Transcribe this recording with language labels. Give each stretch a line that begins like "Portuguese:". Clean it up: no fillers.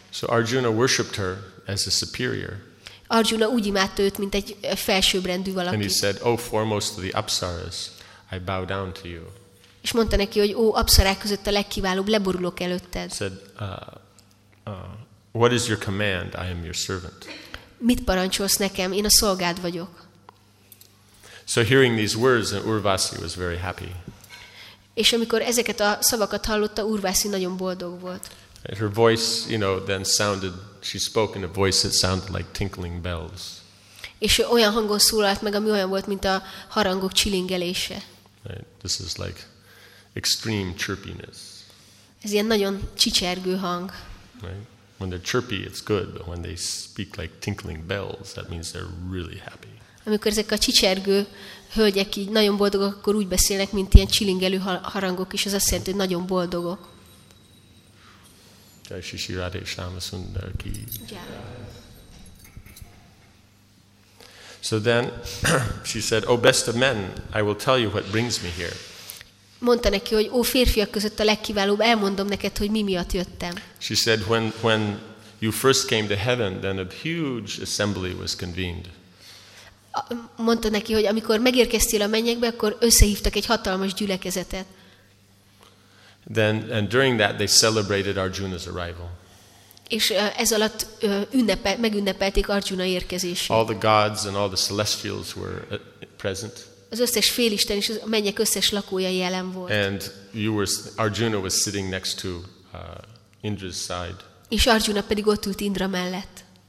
English: So Arjuna worshipped her as a superior.
Hungarian: Arjuna úgy imádta őt, mint egy felsőbbrendű valaki.
English: And he said, "O foremost of the apsaras, I bow down to you."
Hungarian: És mondta neki, hogy ó, apszarák között a legkiválóbb, leborulok előtted.
English: Said, "What is your command? I am your servant."
Hungarian: Mit parancsolsz nekem? Én a szolgád vagyok.
English: So hearing these words, Urvasi was very happy.
Hungarian: És amikor ezeket a szavakat hallotta, Urvasi nagyon boldog volt.
English: Her voice, you know, then sounded. She spoke in a voice that sounded like tinkling bells.
Hungarian: És olyan hangon szólalt meg, ami olyan volt, mint a harangok csilingelése.
English: Right. This is like extreme chirpiness.
Hungarian: Ez ilyen nagyon csicsergő hang.
English: Right. When they're chirpy, it's good, but when they speak like tinkling bells, that means they're really happy.
Hungarian: Amikor ezek a csicsergő hölgyek így nagyon boldogok, akkor úgy beszélnek, mint ilyen csilingelő harangok, és az azt jelenti, hogy nagyon boldogok.
Hindi: Jai Shri Shri Radhe Shyama Sundar ki.
English: So then she said, "O best of men, I will tell you what brings me here."
Hungarian: Mondta neki, hogy ó férfiak között a legkiválóbb, elmondom neked, hogy mi miatt jöttem.
English: She said, "When you first came to heaven, then a huge assembly was convened."
Hungarian: Mondta neki, hogy amikor megérkeztél a mennyekbe, akkor összehívtak egy hatalmas gyülekezetet.
English: Then and during that they celebrated Arjuna's arrival.
Hungarian: És ez alatt megünnepelték Arjuna érkezését.
English: All the gods and all the celestials were present.
Hungarian: Az összes félisten és a mennyek összes lakója jelen volt.
English: And Arjuna was sitting next to Indra's side.
Hungarian: És Arjuna pedig ott ült Indra mellett.